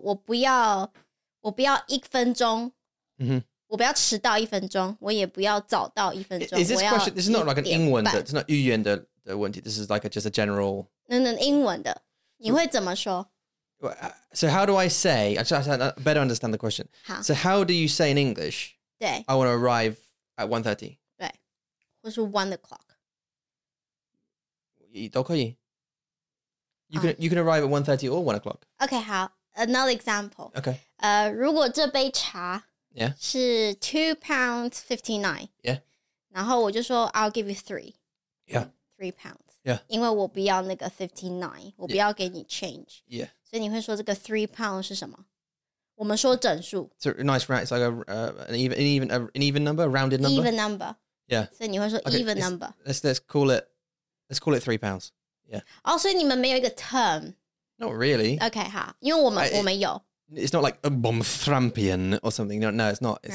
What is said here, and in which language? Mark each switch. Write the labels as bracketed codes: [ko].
[zh] 我想要知道,就是说我不要一分钟, mm-hmm. 我不要迟到一分钟, 我也不要早到一分钟。 [en] Is this question, this is not like an [zh] 英文的, [en] it's not [zh] 语言的问题, [en] this is like just a general... [zh] No, 英文的, 你会怎么说? [en] So how do I say, I better understand the question. [zh] 好, [en] so how do you say in English, [zh] 对, [en] I want to arrive at 1:30? [zh] 对, 或是 1 o'clock. 都可以. [en] You can arrive at 1:30 or 1 o'clock. Okay, 好.Another example. Okay. [zh] 如果这杯茶 是 £2.59. [en] Yeah. [zh] 然后我就说 [en] I'll give you 3. Yeah. £3. Yeah. [zh] 因为我不要那个 59, 我不要给你 change. [en] Yeah. [zh] 所以你会说这个 £3 是什么? 我们说整数. [en] It's a nice round. It's like an even number, a rounded number. Even number. Yeah. 所以你会说 even number. Let's call it £3. Yeah. Oh, so you have a term. Not really. [zh] Okay, 好,因为我们有. [en] It's not like a bomthrampian or something. No, it's not. It's,